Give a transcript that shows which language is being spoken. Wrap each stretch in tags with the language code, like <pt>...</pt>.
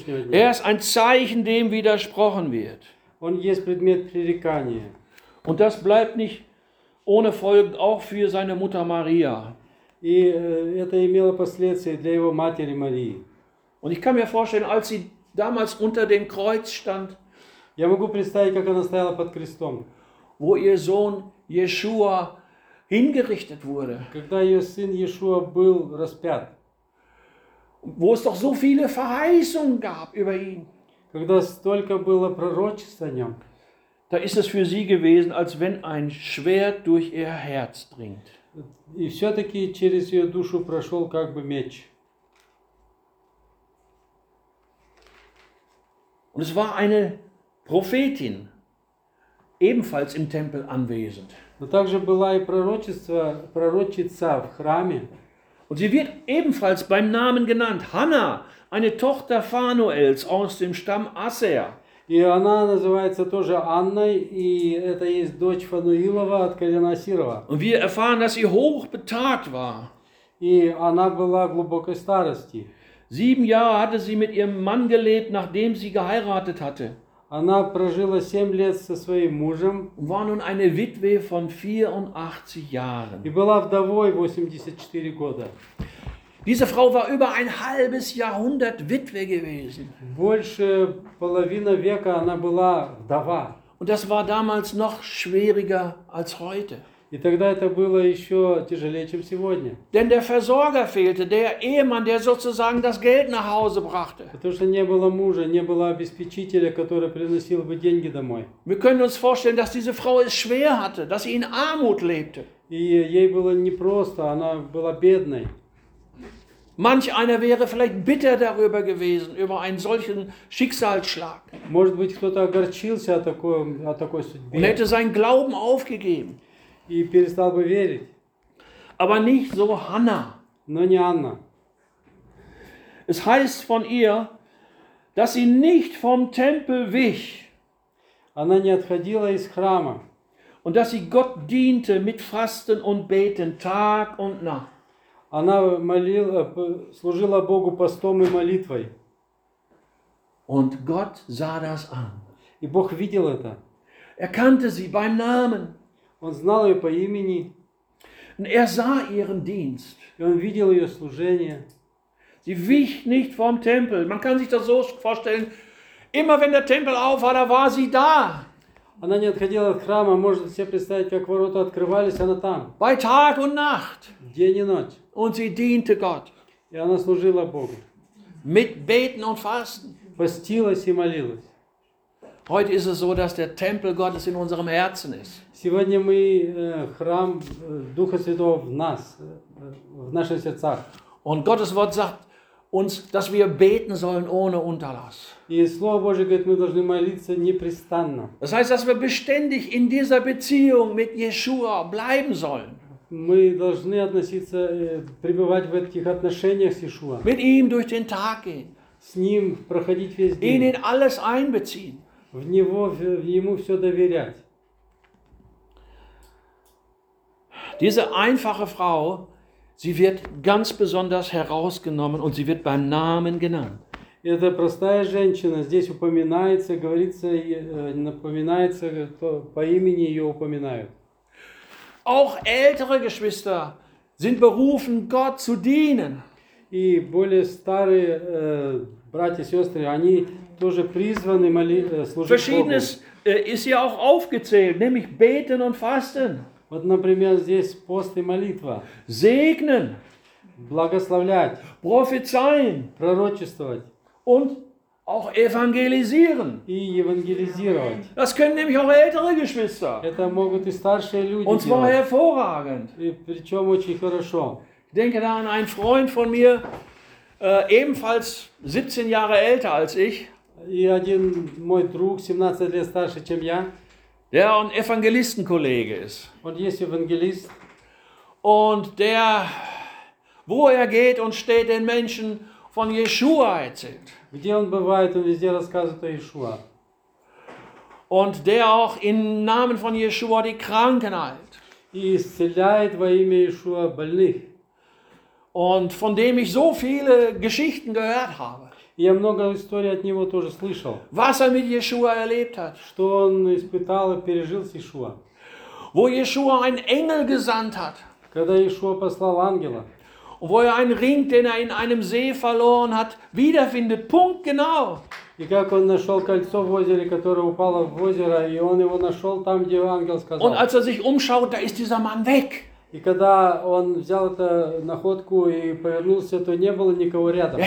<de>Er ist ein Zeichen, dem widersprochen wird. Und das bleibt nicht ohne Folgen auch für seine Mutter Maria. Und ich kann mir vorstellen, als sie damals unter dem Kreuz stand, wo ihr Sohn Jeshua hingerichtet wurde.</de> <ru>Когда ее сын Иешуа был распят.</ru> <de>Wo es doch so viele Verheißungen gab über ihn.</de> <ru>Когда столько было пророчеств о нем.</ru> <de>Da ist es für sie gewesen, als wenn ein Schwert durch ihr Herz dringt.</de> <ru>И все-таки через ее душу прошел как бы меч.</ru> <de>Und es war eine Prophetin ebenfalls im Tempel anwesend.</de> <ru>Но также была и пророчица в храме.</ru> <de>Und sie wird ebenfalls beim Namen genannt. Hanna, eine Tochter Phanuels aus dem Stamm Aser.</de> <ru>И она называется тоже Анной, и это есть дочь Фануилова от колена Асирова.</ru> <de>Und wir erfahren, dass sie hoch betagt war.</de> <ru>И она была глубокой старости.</ru> <de>7 Jahre hatte sie mit ihrem Mann gelebt, nachdem sie geheiratet hatte.</de> <ru>Она прожила 7 лет со своим мужем.</ru> <de>War nun eine Witwe von 84 Jahren.</de> <ru>И была вдовой 84 года.</ru> <de>Diese Frau war über ein halbes Jahrhundert Witwe gewesen.</de> <ru>Больше половины века она была вдова.</ru> <de>Und das war damals noch schwieriger als heute.</de> <ru>И тогда это было еще тяжелее, чем сегодня.</ru> <de>Denn der Versorger fehlte, der Ehemann, der sozusagen das Geld nach Hause brachte.</de> <ru>Потому что не было мужа, не было обеспечителя, который приносил бы деньги домой.</ru> <de>Wir können uns vorstellen, dass diese Frau es schwer hatte, dass sie in Armut lebte.</de> <ru>И ей было непросто, она была бедной.</ru> <de>Manch einer wäre vielleicht bitter darüber gewesen, über einen solchen Schicksalsschlag.</de> <ru>Может быть, кто-то огорчился о такой судьбе.</ru> <de>Und hätte seinen Glauben aufgegeben.</de> <ru>И перестал бы верить.</ru> <de>Aber nicht so Hanna.</de> <ru>Но не Анна.</ru> <de>Es heißt von ihr, dass sie nicht vom Tempel wich.</de> <ru>Она не отходила из храма.</ru> <de>Und dass sie Gott diente mit Fasten und Beten Tag und Nacht.</de> <ru>Она служила Богу постом и молитвой.</ru> <de>Und Gott sah das an.</de> <ru>И Бог видел это.</ru> <de>Er kannte sie beim Namen.</de> <ru>Он знал ее по имени.</ru> <de>Und er sah ihren Dienst.</de> <ru>И он видел ее служение.</ru> <de>Sie wich nicht vom Tempel. Man kann sich das so vorstellen, immer wenn der Tempel auf war, da war sie da.</de> <ru>Она не отходила от храма. Можно себе представить, как ворота открывались, она там.</ru> <de>Bei Tag und Nacht.</de> <ru>День и ночь.</ru> <de>Und sie diente Gott.</de> <ru>И она служила Богу.</ru> <de>Mit Beten und Fasten.</de> <ru>Постилась и молилась.</ru> <de>Heute ist es so, dass der Tempel Gottes in unserem Herzen ist.</de> <ru>Сегодня мы храм Духа Святого в нас, в наших сердцах.</ru> <de>Und Gottes Wort sagt uns, dass wir beten sollen ohne Unterlass.</de> <ru>И Слово Божие говорит, мы должны молиться непрестанно.</ru> <de>Das heißt, dass wir beständig in dieser Beziehung mit Yeshua bleiben sollen.</de> <ru>Мы должны относиться, пребывать в этих отношениях с Yeshua.</ru> <de>Mit ihm durch den Tag gehen.</de> <ru>С ним проходить весь день.</ru> <de>Ihn in alles einbeziehen.</de> <ru>В него, в ему все доверять.</ru> <de>Diese einfache Frau, sie wird ganz besonders herausgenommen und sie wird beim Namen genannt.</de> <ru>Эта простая женщина здесь упоминается, говорится, напоминается, по имени ее упоминают.</ru> <de>Auch ältere Geschwister sind berufen, Gott zu dienen.</de> <ru>И более старые братья, сестры, они тоже призваны служить Богу.</ru> <de>Verschiedenes ist hier auch aufgezählt, nämlich beten und fasten.</de> <ru>Вот, например, здесь пост и молитва.</ru> <de>Segnen.</de> <ru>Благословлять.</ru> <de>Prophezeien.</de> <ru>Пророчествовать.</ru> <de>Und auch evangelisieren.</de> <ru>И евангелизировать.</ru> <de>Das können nämlich auch ältere Geschwister.</de> <ru>Это могут и старшие люди.</ru> <de>Und zwar hervorragend.</de> <ru>И причем очень хорошо.</ru> <de>Ich denke da an einen Freund von mir, ebenfalls 17 Jahre älter als ich.</de> <ru>И один мой друг 17 лет старше, чем я.</ru> <de>Der ein Evangelistenkollege ist. Und ist Evangelist. Und der, wo er geht und steht, den Menschen von Yeshua erzählt.</de> <ru>Где он бывает, он везде рассказывает о Иешуа.</ru> <de>Und der auch im Namen von Yeshua die Kranken heilt.</de> <ru>И исцеляет во имя Иешуа больных.</ru> <de>Und von dem ich so viele Geschichten gehört habe.</de> <ru>Я много историй от него тоже слышал.</ru> <de>Was er mit Yeshua erlebt hat.</de> <ru>Что он испытал и пережил с Иешуа.</ru> <de>Wo Yeshua einen Engel gesandt hat.</de> <ru>Когда Иешуа послал ангела.</ru> <de>Und wo er einen Ring, den er in einem See verloren hat, wiederfindet, punktgenau.</de> <ru>И как он нашел кольцо в озере, которое упало в озеро, и он его нашел там, где ангел сказал.</ru> <de>Und als er sich umschaut, da ist dieser Mann weg.</de> <ru>И когда он взял эту находку и повернулся, то не было никого рядом.</ru>